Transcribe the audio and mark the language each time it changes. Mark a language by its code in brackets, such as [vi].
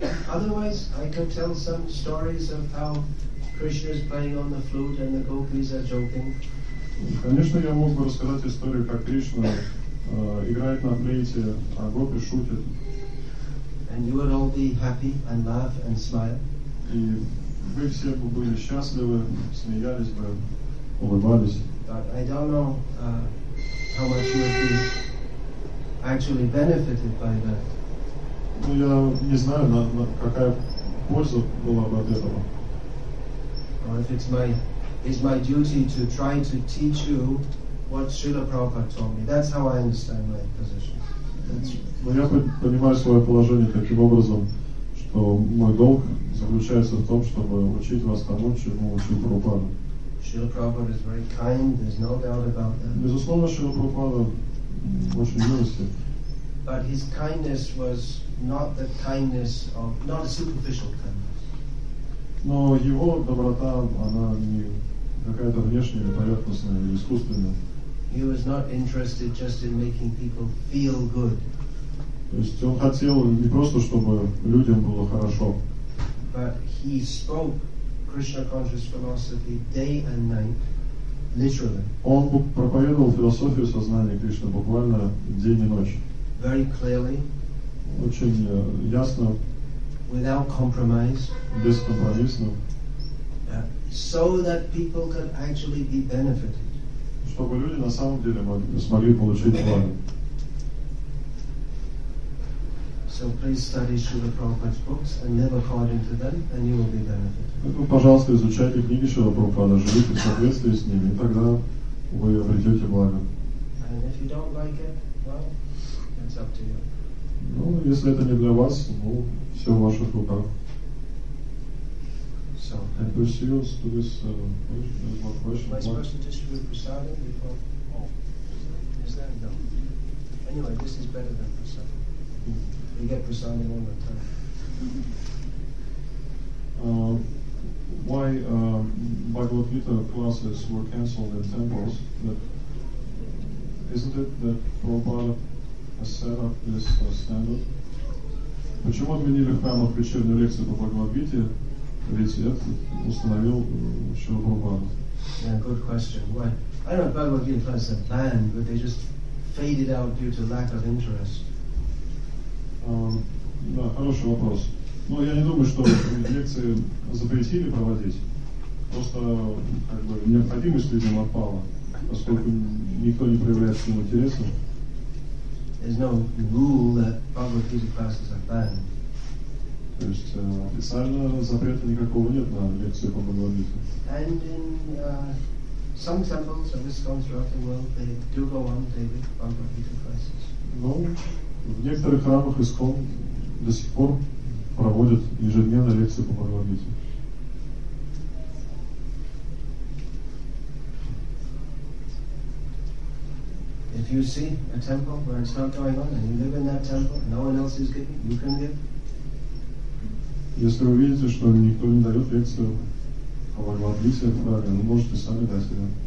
[en] Otherwise, I could tell some stories of how Krishna is playing on the flute and the gopis are joking. [ru] Конечно, я мог бы рассказать историю, как Кришна играет на флейте, а гопи шутят. [en] And you would all be happy and laugh and smile. [ru] И вы все бы были счастливы, смеялись бы, улыбались. [en] But I don't know how much you would be actually benefited by that. [ru] Ну, я не знаю, какая польза была бы от этого. [en] Well, if it's my... It's my duty to try to teach you what Srila Prabhupada told me. That's how I understand my position. [ru] Я понимаю свое положение таким образом, что мой долг заключается в том, чтобы учить вас тому, чему учил Прабхупада. [en] Srila Prabhupada is very kind, there's no doubt about that. [ru] Безусловно, Srila Prabhupada очень милостив. [en] But his kindness was not the kindness of, not a superficial kindness. [ru] Но его доброта, она не какая-то внешняя, поверхностная или искусственная. [en] He was not interested just in making people feel good. [ru] То есть он хотел не просто, чтобы людям было хорошо. [en] But he spoke Krishna conscious philosophy day and night, literally. [ru] Он проповедовал философию сознания Кришны буквально день и ночь. [en] Very clearly. [ru] Очень ясно. [en] Without compromise. [ru] Бескомпромиссно. [en] So that people could actually be benefited. [ru] Чтобы люди на самом деле смогли получить благо. [en] So please study Srila Prabhupada's books and live according to them and you will be benefited. [ru] Ну, пожалуйста, изучайте книги Шрила Прабхупады, живите в соответствии с ними, и тогда вы обретете благо. [en] And if you don't like it, well, it's up to you. [ru] Ну, если это не для вас, ну, все в ваших руках. [en] So, I pursue us to this question. Am I supposed to distribute prasadam before? Oh, is that no? Anyway, this is better than prasadam. We get prasadam all the time. Why Bhagavad Gita classes were cancelled in temples? But isn't it that Prabhupada has set up this standard? [ru] Почему отменили в храмах вечерние лекции по Бхагавад-гите? Ведь это установил Шрила Прабхупада. [en] Yeah, good question. Why? I don't know if Bhagavad-gita class are banned, but they just faded out due to lack of interest. [ru] Да, хороший вопрос. Но я не думаю, что лекции запретили проводить. Просто как бы необходимость людям отпала, поскольку никто не проявляет к ним интереса. [en] There's no rule that Bhagavad Gita classes are banned. [ru] То есть официально запрета никакого нет на лекции по Бхагавад Гите. [en] And in some temples of ISKCON throughout the world, they do go on daily Bhagavad Gita classes. [ru] Ну, в некоторых храмах ISKCON до сих пор проводят ежедневные лекции по Бхагавад Гите. [en] If you see a temple where it's not going on and you live in that temple, no one else is giving, you can give. [ru] Если вы видите, что никто не дает лекцию, а вы молитесь в храме, вы можете сами дать ее.